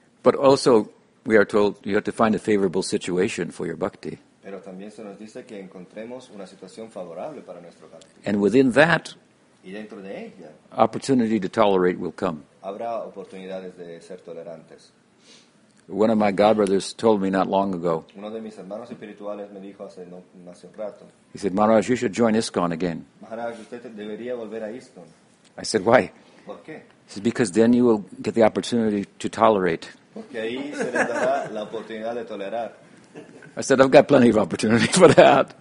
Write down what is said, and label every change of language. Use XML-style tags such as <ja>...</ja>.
<en>But also, we are told you have to find a favorable situation for your bhakti.</en> <es>Pero también se nos dice que encontremos una situación favorable para nuestro bhakti.</es> <en>And within that,</en> <es>y dentro de ella,</es> <en>opportunity to tolerate will come.</en> <es>Habrá oportunidades de ser tolerantes.</es> <en>One of my godbrothers told me not long ago.</en> <es>Uno de mis hermanos espirituales me dijo hace no hace un rato.</es> <en>He said, "Maharaj, you should join ISKCON again."</en> <es>Maharaj, usted debería volver a ISKCON.</es> <en>I said, "Why?"</en> <es>¿Por qué?</es> <en>He said, "Because then you will get the opportunity to tolerate."</en> <es>Porque ahí se les dará la oportunidad de tolerar.</es> <en>I said, "I've got plenty of opportunities for that."</en>